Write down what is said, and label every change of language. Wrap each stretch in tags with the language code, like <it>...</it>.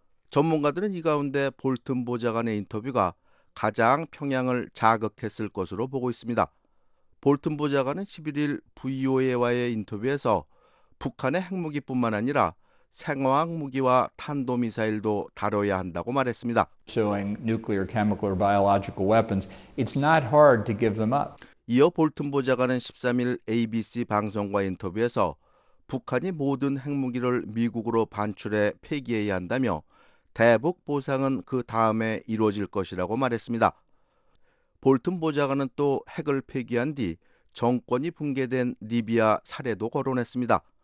<ko>전문가들은 이 가운데 볼튼 보좌관의 인터뷰가 가장 평양을 자극했을 것으로 보고 있습니다. 볼튼 보좌관은 11일 VOA와의 인터뷰에서 북한의 핵무기뿐만 아니라 생화학 무기와 탄도미사일도 다뤄야 한다고 말했습니다.</ko> <en>Nuclear, chemical, or biological weapons, it's not hard to give them up.</en> <ko>이어 볼튼 보좌관은 13일 ABC 방송과 인터뷰에서 북한이 모든 핵무기를 미국으로 반출해 폐기해야 한다며 대북 보상은 그 다음에 이루어질 것이라고 말했습니다. 볼튼 보좌관은 또 핵을 폐기한 뒤 정권이 붕괴된 리비아 사례도 거론했습니다.</ko>